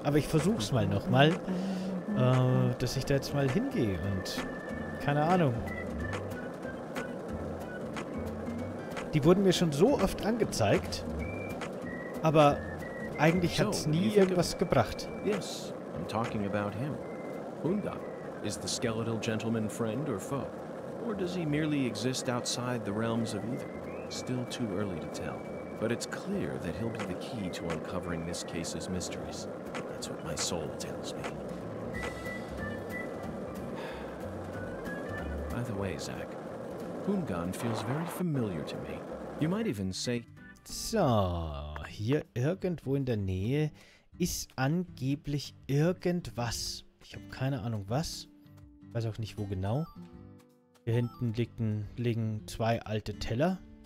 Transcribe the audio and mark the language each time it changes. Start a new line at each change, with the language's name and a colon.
German: Aber ich versuch's mal nochmal, dass ich da jetzt mal hingehe und keine Ahnung. Die wurden mir schon so oft angezeigt, aber eigentlich hat's nie irgendwas gebracht.
English: Yes, I'm talking about him. Hunda, is the skeletal gentleman friend or foe? Or does he merely exist outside the realms of either? Still too early to tell, but it's clear that he'll be the key to uncovering this case's mysteries. That's what my soul tells me. By the way, Zack, Hungan feels very familiar to me. You might even say...
German: So, hier irgendwo in der Nähe ist angeblich irgendwas. Ich habe keine Ahnung was. Ich weiß auch nicht, wo genau. Hier hinten liegen zwei alte Teller.